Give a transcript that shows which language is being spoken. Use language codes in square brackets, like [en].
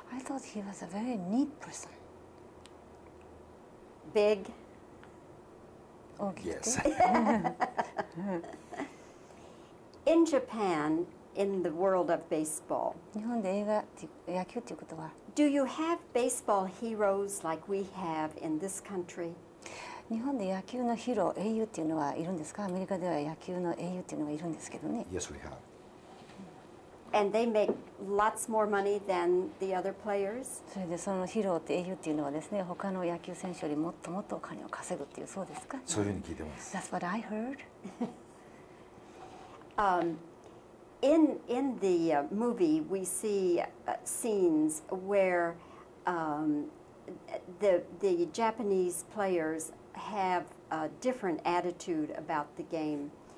[en] I thought he was a very neat person. Big? [ja] 大きくて、 [en] Yes. In Japan, in the world of baseball, [ja] 日本で映画、野球ということは [en] Do you have baseball heroes like we have in this country? [ja] 日本で野球のヒーロー、英雄っていうのはいるんですか？アメリカでは野球の英雄っていうのがいるんですけどね。 [en] Yes, we have. And they make lots more money than the other players? [ja] それでそのヒーローって英雄っていうのはですね、他の野球選手よりもっともっとお金を稼ぐっていう、そうですか？そういうふうに聞いてます。 [en] That's what I heard. In the movie, we see scenes where the Japanese players have a different attitude about the game.